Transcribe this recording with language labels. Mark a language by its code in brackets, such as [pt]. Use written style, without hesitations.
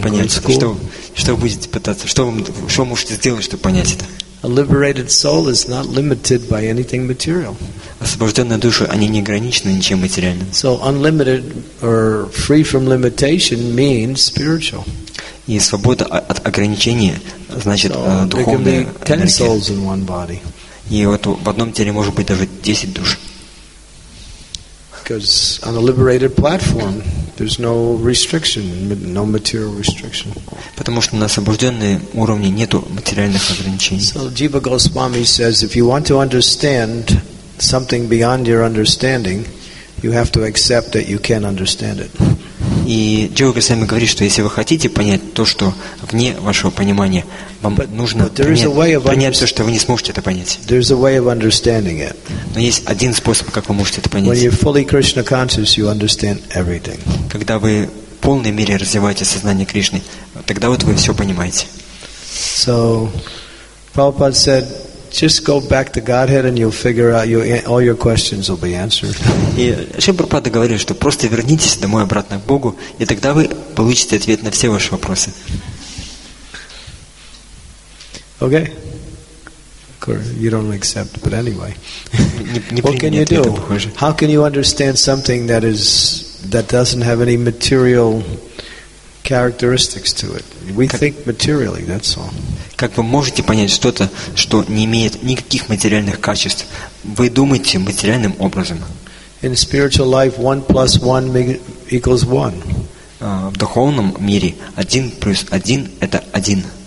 [ru] Понять, что будете пытаться? Что можете сделать, чтобы понять это? [en] A liberated soul is not limited by anything material. [ru] Освобожденные души, они не ограничены ничем материальным. [en] So unlimited or free from limitation means spiritual. [ru] И свобода от ограничений значит духовная энергия. [en] There can be 10 souls in one body. [ru] И вот в одном теле может быть даже 10 душ. [en] Because on a liberated platform, there's no restriction, no material restriction. [ru] Потому что на освобожденном уровне нету материальных ограничений. [en] So Jiva Goswami says, if you want to understand something beyond your understanding, you have to accept that you can't understand it. [ru] И Jiva Goswami говорит, что если вы хотите понять то, что вне вашего понимания, вам нужно понять все, что вы не сможете это понять. [en] There's a way of understanding it. [ru] Но есть один способ, как вы можете это понять. [en] When you're fully Krishna conscious, you understand everything. [ru] Когда вы в полной мере развиваете сознание Кришны, тогда вот вы все понимаете. [en] So, Prabhupada said, just go back to Godhead and you'll figure out all your questions will be answered. [ru] И Шрила Прабхупада говорил, что просто вернитесь домой обратно к Богу, и тогда вы получите ответ на все ваши вопросы. [en] Okay. Of course, you don't accept, but anyway. What can you do? How can you understand something that doesn't have any material characteristics to it? We think materially, that's all. [ru] Как вы можете понять что-то, что не имеет никаких материальных качеств? Вы думаете материальным образом. [en] In spiritual life, 1 + 1 = 1. [ru] В духовном мире 1 + 1 — это 1.